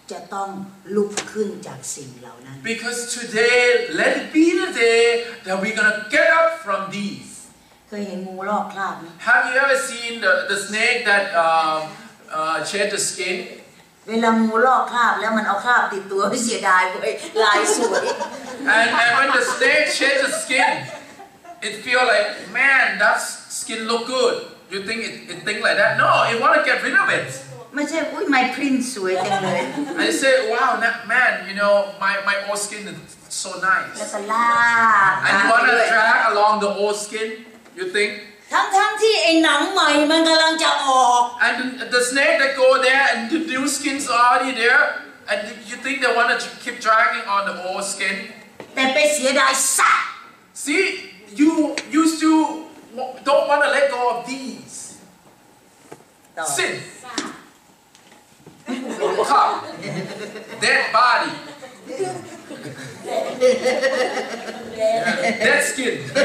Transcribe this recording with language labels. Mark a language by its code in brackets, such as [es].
[en] Because today, let it be the day that we're gonna get up from these. Have you ever seen the snake that, shed the skin. [th] เวลางูลอกคราบแล้วมันเอาคราบติดตัวเสียดายไปลายสวย [en] And when the snake shed the skin, it feel like man that skin look good. You think it think like that? No, it want to get rid of it. [th] ไม่ใช่อุ้ย [en] my print [th] สวยจังเลย [en] And say wow man you know my old skin is so nice. [th] แล้วก็ลาก [en] And you wanna drag along the old skin? You think? [th] ทั้งที่ไอ้หนังใหม่มันกำลังจะออก [en] And the snake that go there and the new skin's already there and you think they want to keep dragging on the old skin [th] แต่ไปเสียดายซะ [en] See you still don't want to let go of these sin dead body dead skin